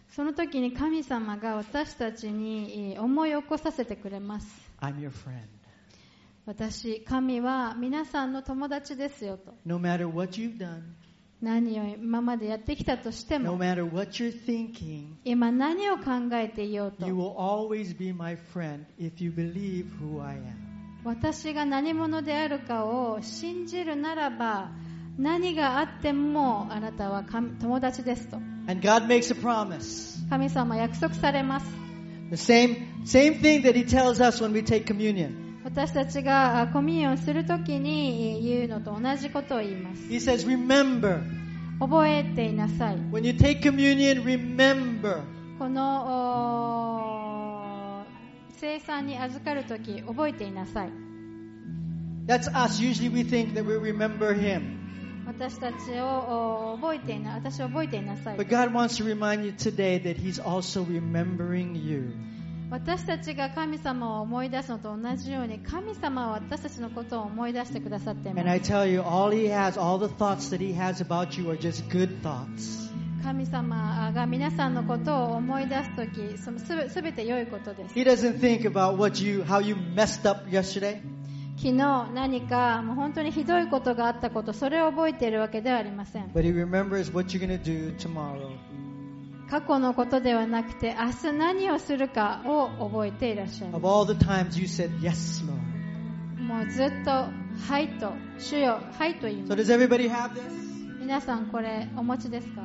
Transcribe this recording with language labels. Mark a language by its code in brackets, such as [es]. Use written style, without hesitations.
[ja] その時に神様が私たちに思い起こさせてくれます。 [en] I'm your friend. [ja] 私、神は皆さんの友達ですよと。 [en] No matter what you've done, [ja] 何を今までやってきたとしても、 [en] no matter what you're thinking, [ja] 今何を考えていようと、 [en] you will always be my friend if you believe who I am. [ja] 私が何者であるかを信じるならば、何があってもあなたは友達ですと。 [en] And God makes a promise. [ja] 神様は約束されます。 [en] The same thing that He tells us when we take communion. [ja] 私たちがコミュニオンするときに言うのと同じことを言います。 [en] He says, remember. [ja] 覚えていなさい。 [en] When you take communion, remember. [ja] この聖餐に預かるとき覚えていなさい。 [en] That's us. Usually we think that we remember him. [ja] 私たちを覚えていな、私を覚えていなさい。 [en] But God wants to remind you today that he's also remembering you. [ja] 私たちが神様を思い出すのと同じように、神様は私たちのことを思い出してくださっています。神様が皆さんのことを思い出すとき、すべて良いことです。 [en] He doesn't think about what you, how you messed up yesterday. [ja] 昨日何かもう本当にひどいことがあったこと、それを覚えているわけではありません。 [en] But he remembers what you're going to do tomorrow. [ja] 過去のことではなくて、明日何をするかを覚えていらっしゃいます。 [en] Of all the times you said yes, Lord. [ja] もうずっとはいと、主よはいと言います。 [en] So does everybody have this? [ja] 皆さんこれお持ちですか?